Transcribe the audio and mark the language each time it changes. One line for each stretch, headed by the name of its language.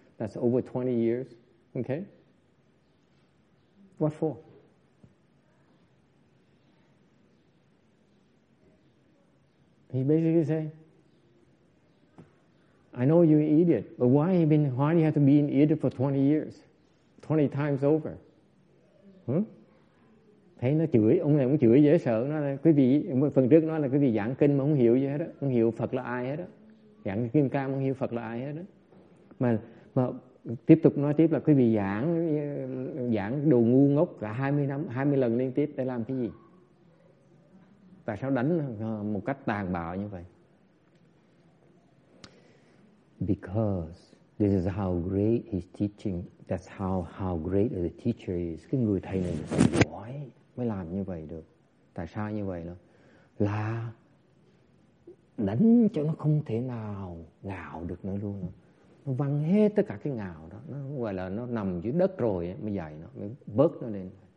English: That's over 20 years, okay? What for? He basically say, I know you're an idiot, but why do you have to be an idiot for 20 years? 20 times over?
Vietnamese: Thấy nó chửi, ông này cũng chửi dễ sợ. Nó là quý vị, phần trước nói là quý vị giảng kinh mà không hiểu gì hết đó. Không hiểu Phật là ai hết đó. Giảng kinh ca mà không hiểu Phật là ai hết đó. Mà tiếp tục nói tiếp là quý vị giảng đồ ngu ngốc cả 20 lần liên tiếp để làm cái gì? Tại sao đánh một cách tàn bạo như vậy?
English: Because this is how great his teaching, that's how great the teacher is.
Vietnamese: Cái người thầy này giỏi mới làm như vậy được. Tại sao như vậy? Là đánh cho nó không thể nào ngạo được nữa luôn đó. Nó văng hết tất cả cái ngào đó, nó gọi là nó nằm dưới đất rồi ấy, mới dậy nó, mới bớt nó lên.